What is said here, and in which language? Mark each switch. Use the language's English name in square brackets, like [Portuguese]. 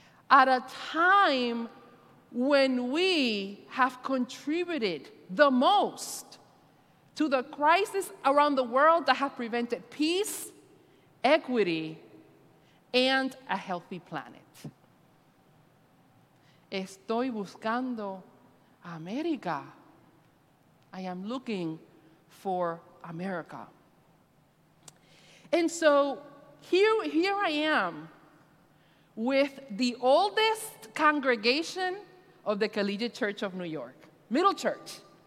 [English] At a time when we have contributed the most to the crisis around the world that have prevented peace, equity, and a healthy planet. [Spanish] Estoy buscando América. [English] I am looking for America. And so here I am with the oldest congregation of the Collegiate Church of New York, Middle Church.